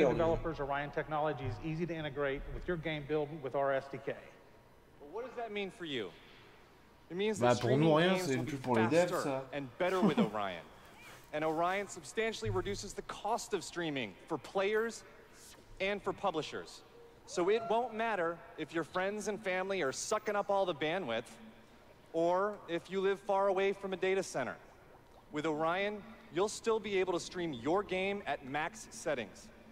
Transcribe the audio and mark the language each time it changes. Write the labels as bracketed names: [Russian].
[English] Game developers Orion technology is easy to integrate with your game build with our SDK. But what does that mean for you? [French] Bah pour nous rien, c'est une pub pour les devs ça. [English] And better with Orion. And Orion substantially reduces the cost of streaming for players and for publishers. So it won't matter if your friends and family are sucking up all the bandwidth or if you live far away from a data center. With Orion, you'll still be able to stream your game at max settings.